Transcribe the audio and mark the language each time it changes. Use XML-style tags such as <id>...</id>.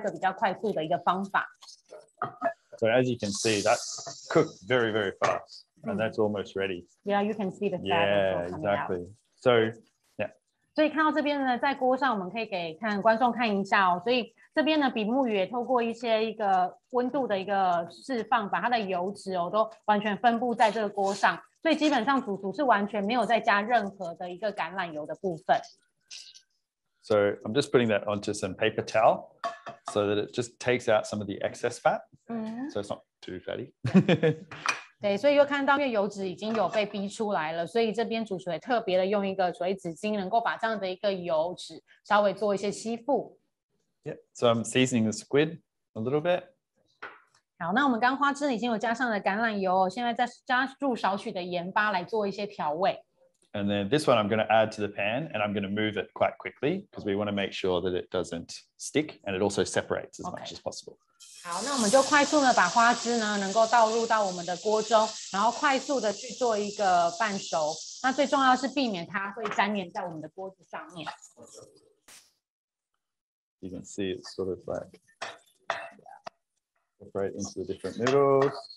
<zh>对，那有时候呢，在餐厅里面可能比较大量的方式，它可能放在烤箱里面去做烹调，也会是另外一个比较快速的一个方法。</zh> <en>So as you can see, that cooked very, very fast, and that's almost ready. Yeah, you can see the fat. Yeah, exactly. So, yeah.</en> <zh>所以看到这边呢，在锅上，我们可以给看观众看一下哦。所以这边呢，比目鱼也透过一些一个温度的一个释放，把它的油脂哦都完全分布在这个锅上。所以基本上主厨是完全没有再加任何的一个橄榄油的部分。</zh> <en>So I'm just putting that onto some paper towel, so that it just takes out some of the excess fat. So it's not too fatty.</en> <zh>对，所以又看到因为油脂已经有被逼出来了，所以这边主厨也特别的用一个水纸巾，能够把这样的一个油脂稍微做一些吸附。</zh> <en>Yeah, so I'm seasoning the squid a little bit.</en> <zh>好，那我们刚花枝已经有加上了橄榄油，现在再加入少许的盐巴来做一些调味。</zh> <en>And then this one I'm going to add to the pan, and I'm going to move it quite quickly because we want to make sure that it doesn't stick and it also separates as much as possible.</en> <zh>好，那我们就快速的把花枝呢能够倒入到我们的锅中，然后快速的去做一个半熟。那最重要是避免它会粘黏在我们的锅子上面。</zh> <en>You can see it's sort of like separate into the different noodles.</en>